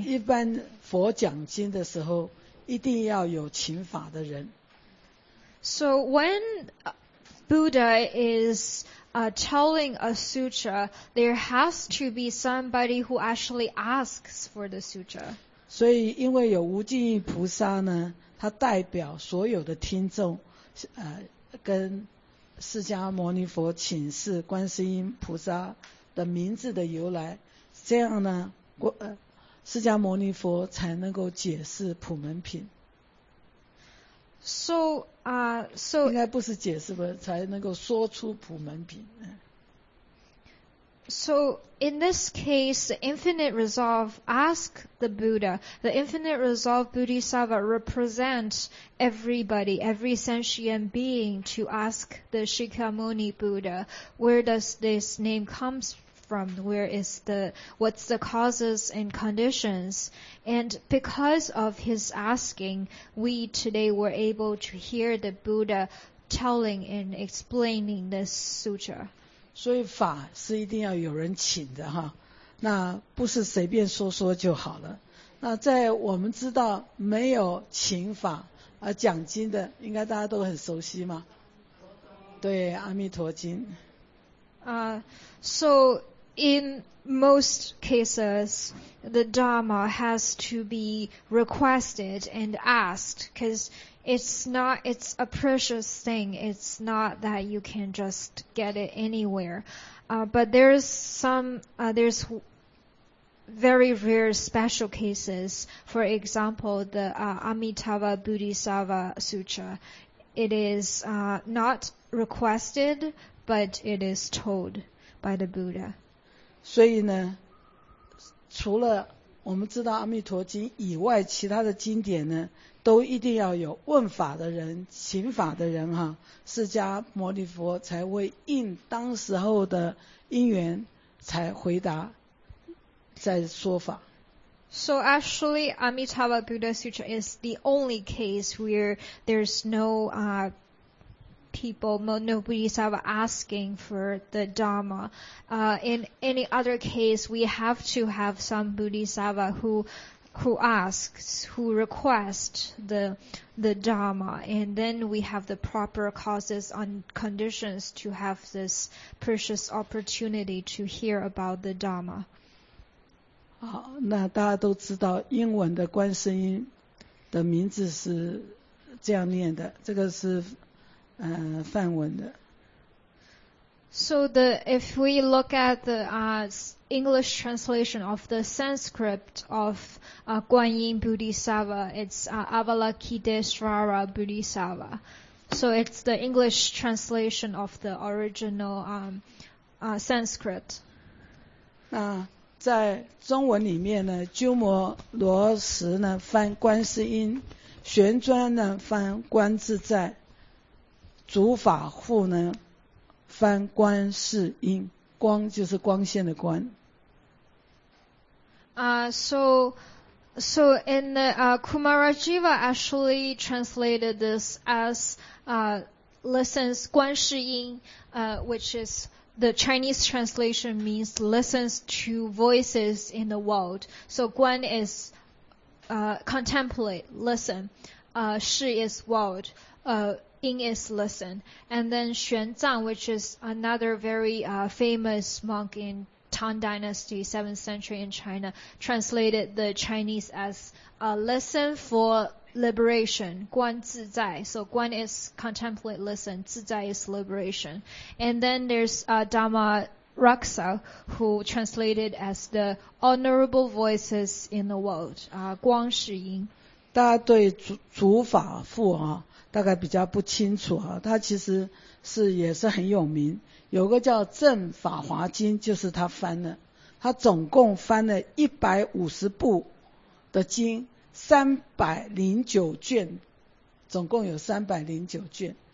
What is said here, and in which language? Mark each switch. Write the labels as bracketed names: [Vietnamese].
[Chinese] 一般佛讲经的时候，一定要有请法的人。 [English] So when Buddha is telling a sutra, there has to be somebody who actually asks for the sutra. [Chinese] 所以因为有无尽意菩萨呢，他代表所有的听众，跟释迦牟尼佛请示观世音菩萨的名字的由来，这样呢，释迦牟尼佛才能够解释普门品。 [English] So [Chinese] 应该不是解释吧，才能够说出普门品。 [English] So in this case, the Infinite Resolve ask the Buddha. The Infinite Resolve Bodhisattva represents everybody, every sentient being, to ask the Shikyamuni Buddha, where does this name come from? Where is the, what's the causes and conditions? And because of his asking, we today were able to hear the Buddha telling and explaining this sutra. [Chinese] 所以法是一定要有人请的哈，那不是随便说说就好了。那在我们知道没有请法而讲经的，应该大家都很熟悉嘛。对，阿弥陀经。 [English] So in most cases, the Dharma has to be requested and asked, because it's a precious thing. It's not that you can just get it anywhere. But there's very rare special cases. For example, the Amitabha Bodhisattva Sutra. It is not requested, but it is told by the Buddha. [Chinese] 所以呢，除了我们知道阿弥陀经以外，其他的经典呢都一定要有问法的人、请法的人哈，释迦牟尼佛才会应当时候的因缘才回答，再说法。 [English] So actually, Amitabha Buddha Sutra is the only case where there's no people, nobody's ever asking for the Dharma. In any other case, we have to have some Bodhisattva who asks, who requests the Dharma, and then we have the proper causes and conditions to have this precious opportunity to hear about the Dharma. [Chinese] 好，那大家都知道英文的观世音的名字是这样念的，这个是梵文的。 [English] So if we look at the English translation of the Sanskrit of Guanyin Bodhisattva, it's Avalokiteshvara Bodhisattva. So it's the English translation of the original Sanskrit. [Chinese] 那在中文里面呢，鸠摩罗什呢翻观世音，玄奘呢翻观自在，竺法护呢翻观世音，光就是光线的观。 [English] So in the Kumarajiva actually translated this as listens Guan Shi Ying, which is the Chinese translation means listens to voices in the world. So Guan is contemplate, listen. Shi is world. Ying is listen. And then Xuanzang, which is another very famous monk in Tang Dynasty, 7th century in China, translated the Chinese as a listen for liberation, Guan Zi Zai. So Guan is contemplate, listen, Zi Zai is liberation. And then there's Dharma Raksa, who translated as the honorable voices in the world, Guang Shi Ying. [Chinese] 大家对竺法护啊，大概比较不清楚啊，他其实是也是很有名。有个叫《正法华经》，就是他翻的。他总共翻了150部的经，309卷，总共有309卷。